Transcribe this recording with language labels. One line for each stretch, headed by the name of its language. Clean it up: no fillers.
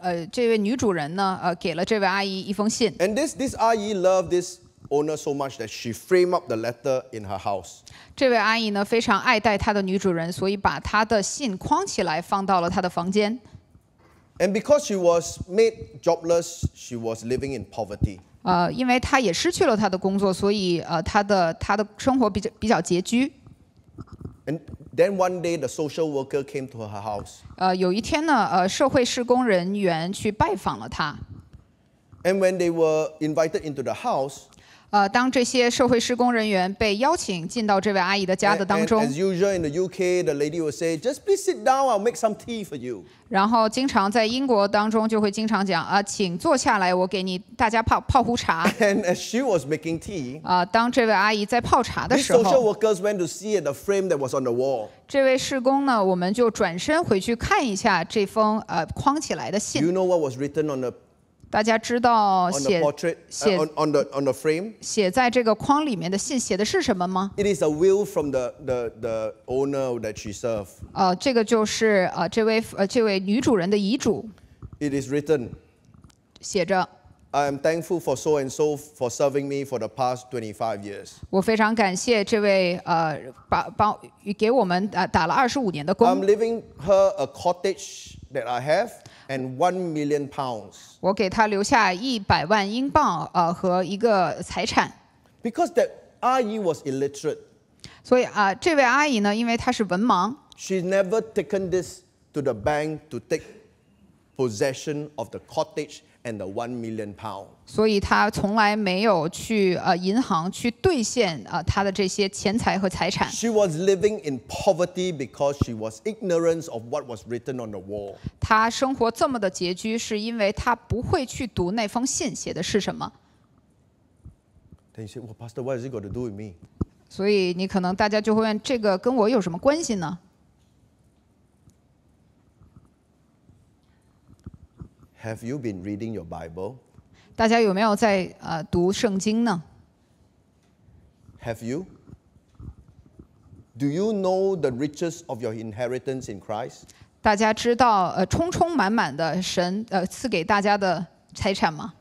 Chinese: 这位女主人呢，给了这位阿姨一封信。
English: And this 阿姨 loved this owner so much that she framed up the letter in her house.
Chinese: 这位阿姨呢非常爱戴她的女主人，所以把她的信框起来放到了她的房间。
English: And because she was made jobless, she was living in poverty.
Chinese: 因为她也失去了她的工作，所以她的生活比较拮据。
English: And then one day, the social worker came to her house.
Chinese: 有一天呢，社会施工人员去拜访了她。
English: And when they were invited into the house,
Chinese: 当这些社会施工人员被邀请进到这位阿姨的家的当中
English: as usual in the UK, the lady will say, just please sit down, I'll make some tea for you.
Chinese: 然后经常在英国当中就会经常讲、请坐下来，我给你大家 泡壶茶。
English: And as she was making tea,、
Chinese: 当这位阿姨在泡茶的时候
English: social workers went to see the frame that was on the wall.
Chinese: 这位施工呢，我们就转身回去看一下这封、框起来的信。
English: You know what was written on the wall?
Chinese: 大家知道
English: on the frame,
Chinese: 写在这个框里面的信写的是什么吗
English: ？It is a will from the owner that she served.
Chinese: 这个就是这位女主人的遗嘱。
English: It is written.
Chinese: 写着。
English: I am thankful for so and so for serving me for the past 25 years.
Chinese: 我非常感谢这位帮给我们打了25年的工。
English: I'm leaving her a cottage that I have. And £1 million.
Chinese: 我给他留下100万英镑，和一个财产。
English: Because that 阿姨 was illiterate.
Chinese: 所以啊，这位阿姨呢，因为她是文盲。
English: She's never taken this to the bank to take possession of the cottage and the £1 million.
Chinese: 所以她从来没有去银行去兑现她的这些钱财和财产。
English: She was living in poverty because she was ignorant of what was written on the wall.
Chinese: 她生活这么的拮据，是因为她不会去读那封信写的是什么。
English: Then you say, "Well, Pastor, what has it got to do with me?"
Chinese: 所以你可能大家就会问，这个跟我有什么关系呢？
English: Have you been reading your Bible?
Chinese: 大家有没有在读圣经呢
English: ？Have you? Do you know the riches of your inheritance in Christ?
Chinese: 大家知道充充满满的神赐给大家的财产吗